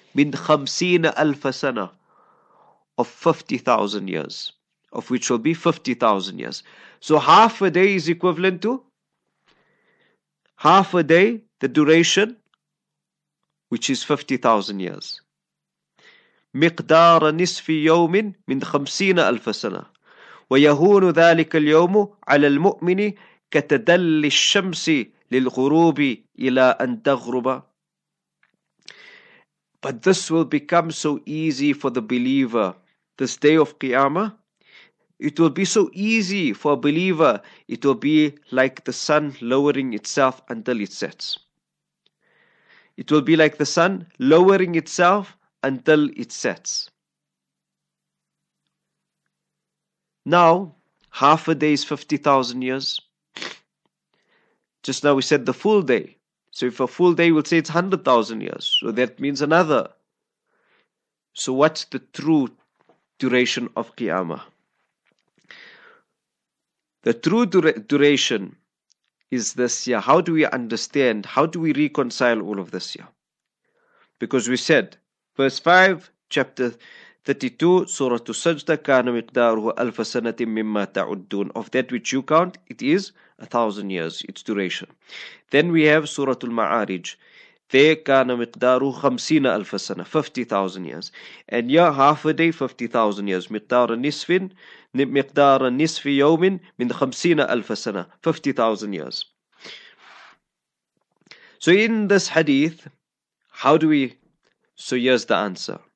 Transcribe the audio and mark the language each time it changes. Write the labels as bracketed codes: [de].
[ar] مِنْ خَمْسِينَ أَلْفَ سَنَة. [en] Of 50,000 years. Of which will be 50,000 years. So half a day is equivalent to half a day, the duration, which is 50,000 years. [ar] مقدار نصف يوم من 50,000 سنة ويهون ذلك اليوم على المؤمن كتدل الشمس للغروب إلى أن تغرب. [en] But this will become so easy for the believer, this day of Qiyamah. It will be so easy for a believer. It will be like the sun lowering itself until it sets. It will be like the sun lowering itself until it sets. Now, half a day is 50,000 years. Just now we said the full day. So if a full day, we'll say it's 100,000 years. So that means another. So what's the true duration of Qiyamah? The true duration is this year. How do we understand? How do we reconcile all of this year? Because we said, verse 5, chapter 32, Surah Sajdah, [ar] كَانَ مِقْدَارُهُ أَلْفَ سَنَةٍ مِمَّا تَعُدُّونَ. [en] Of that which you count, it is 1,000 years, its duration. Then we have Surah Al-Ma'arij. There, [ar] كَانَ مِقْدَارُهُ خَمْسِينَ أَلْفَ سَنَةٍ. [en] 50,000 years. And here, half a day, 50,000 years. [ar] مِقْدَارَ نِسْفٍ. مقدار نصف يوم من 50,000 سنة. [en] 50,000 years. So in this hadith, how do we... So here's the answer.